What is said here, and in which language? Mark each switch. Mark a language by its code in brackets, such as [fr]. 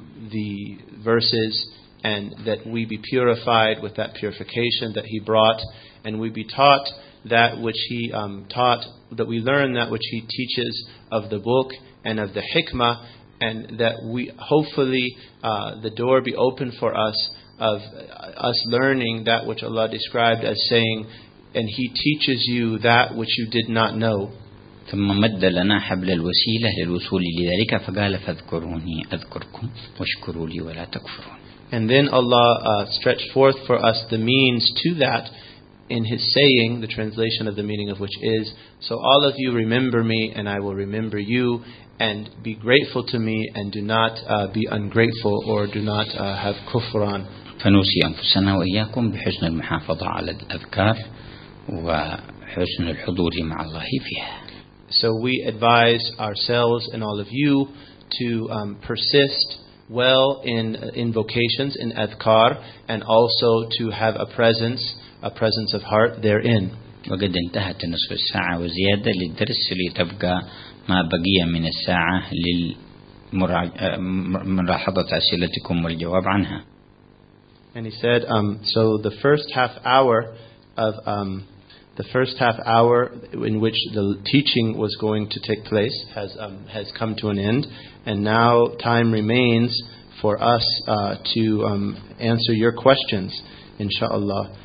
[en] the verses, and that we be purified with that purification that he brought, and we be taught that which he taught, that we learn that which he teaches of the book and of the hikmah, and that we hopefully the door be open for us of us learning that which Allah described as saying, and he teaches you that which you did not know. [ar] ثم مد لنا حبل الوسيلة للوصول لذلك فقال فاذكروني أذكركم واشكروا لي ولا تكفرون. [en] And then Allah stretched forth for us the means to that in his saying, the translation of the meaning of which is, so all of you remember me and I will remember you, and be grateful to me and do not be ungrateful or do not have kufran. [ar] فنوصي أنفسنا وإياكم بحسن المحافظة على الأذكار وحسن الحضور مع الله فيها. [en] So we advise ourselves and all of you to persist well in invocations, in adhkar, and also to have a presence of heart therein. [ar] وقد انتهت نصف الساعة وزيادة للدرس لتبقى ما بقي من الساعة لملاحظة أسئلتكم والجواب عنها. [en] And he said, so the first half hour of the first half hour in which the teaching was going to take place has come to an end, and now time remains for us to answer your questions, inshallah.